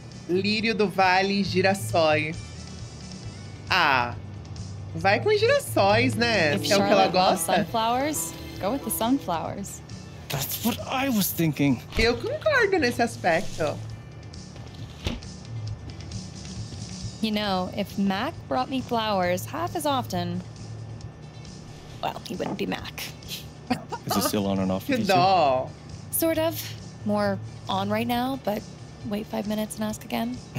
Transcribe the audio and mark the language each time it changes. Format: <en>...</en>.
<pt>Lírio do Vale, girassóis. Ah, vai com girassóis, né? Se é o que ela gosta.</pt> <en>Sunflowers, go with the sunflowers. That's what I was thinking.</en> <pt>Eu concordo nesse aspecto.</pt> <en>You know, if Mac brought me flowers half as often, well, he wouldn't be Mac. Is he still on and off? No. Sort of. More on right now, but wait 5 minutes and ask again.</en>